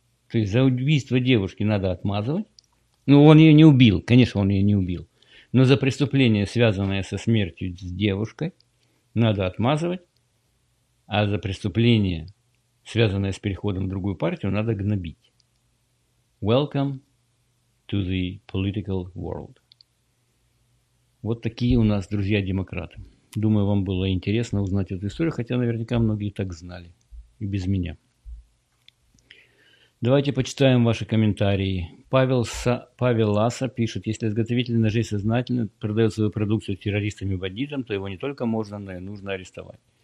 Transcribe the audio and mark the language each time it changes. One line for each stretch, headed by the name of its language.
Russian: То есть за убийство девушки надо отмазывать. Ну, он ее не убил. Конечно, он ее не убил. Но за преступление, связанное со смертью с девушкой, надо отмазывать. А за преступление, связанное с переходом в другую партию, надо гнобить.
English: Welcome to the political world.
Russian: Вот такие у нас, друзья, демократы. Думаю, вам было интересно узнать эту историю, хотя наверняка многие так знали. И без меня. Давайте почитаем ваши комментарии. Павел Ласа пишет, если изготовитель ножей сознательно продает свою продукцию террористам и бандитам, то его не только можно, но и нужно арестовать.